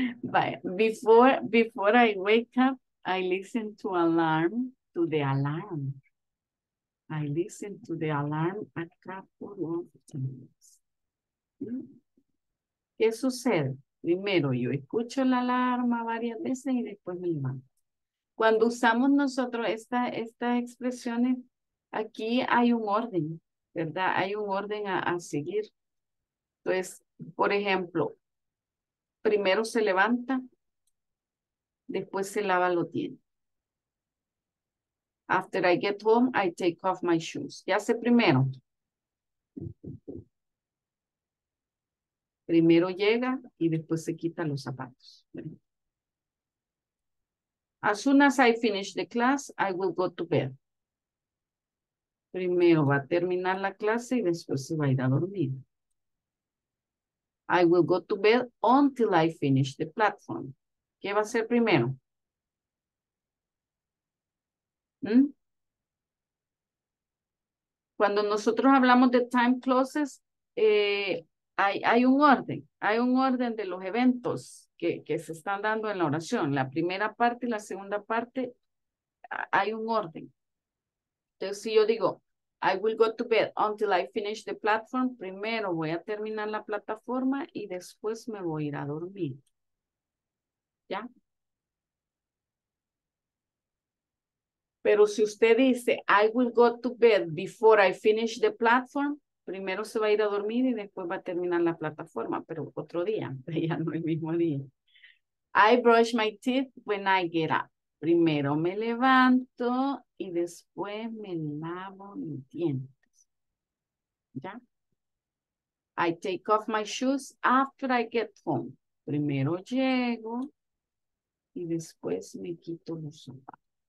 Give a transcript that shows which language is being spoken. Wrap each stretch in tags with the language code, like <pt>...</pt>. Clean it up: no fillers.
<en>But before I wake up, I listen to alarm, to the alarm. I listen to the alarm a couple of times.</en> <es>¿Qué sucede? Primero, yo escucho la alarma varias veces y después me levanto. Cuando usamos nosotros estas expresiones, aquí hay un orden, ¿verdad? Hay un orden a seguir. Entonces, por ejemplo, primero se levanta, después se lava los dientes.</es> <en>After I get home, I take off my shoes.</en> <es>¿Qué hace primero? Primero llega y después se quita los zapatos.</es> <en>As soon as I finish the class, I will go to bed.</en> <es>Primero va a terminar la clase y después se va a ir a dormir.</es> <en>I will go to bed until I finish the platform.</en> <es>¿Qué va a ser primero? ¿Mm? Cuando nosotros hablamos de time clauses, hay un orden. Hay un orden de los eventos que se están dando en la oración. La primera parte y la segunda parte, hay un orden. Entonces, si yo digo,</es> <en>I will go to bed until I finish the platform.</en> <es>Primero voy a terminar la plataforma y después me voy a ir a dormir. ¿Ya? Pero si usted dice,</es> <en>I will go to bed before I finish the platform,</en> <es>primero se va a ir a dormir y después va a terminar la plataforma, pero otro día, ya no el mismo día.</es> <en>I brush my teeth when I get up.</en> <es>Primero me levanto y después me lavo mis dientes. ¿Ya?</es> <en>I take off my shoes after I get home.</en> <es>Primero llego y después me quito los zapatos.</es>